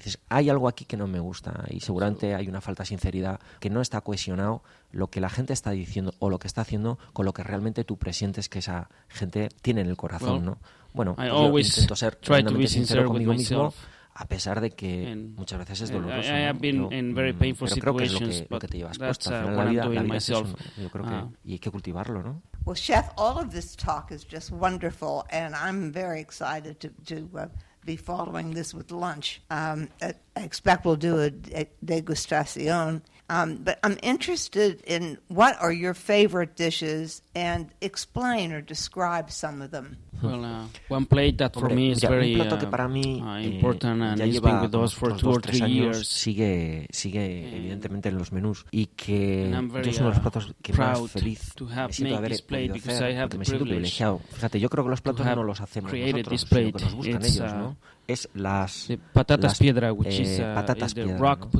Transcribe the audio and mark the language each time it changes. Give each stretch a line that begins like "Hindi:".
Spanish: Dices, hay algo aquí que no me gusta, y seguramente hay una falta de sinceridad, que no está cohesionado lo que la gente está diciendo o lo que está haciendo con lo que realmente tú presientes que esa gente tiene en el corazón, ¿no? Bueno, yo intento ser tremendamente sincero conmigo mismo, a pesar de que muchas veces es doloroso, ¿no? Creo que es lo que te llevas puesto. Al final, la vida es eso, ¿no? Yo creo que, y hay que cultivarlo, ¿no?
English: Well, Chef, all of this talk is just wonderful, and I'm very excited to be following this with lunch. I expect we'll do a degustación. But I'm interested in what are your favorite dishes, and explain or describe some of them. Well, one plate that for me is very important and has been with us for two or three years.
Spanish: Sigue evidentemente en los menús, y que es uno de los platos que más feliz me siento haber podido hacer, porque me siento privilegiado. Fíjate, yo creo que los platos no los hacemos nosotros, sino que nos gustan ellos, ¿no? Es las patatas piedra,
English: which is
Spanish: patatas piedra,
English: the rock,
Spanish: ¿no?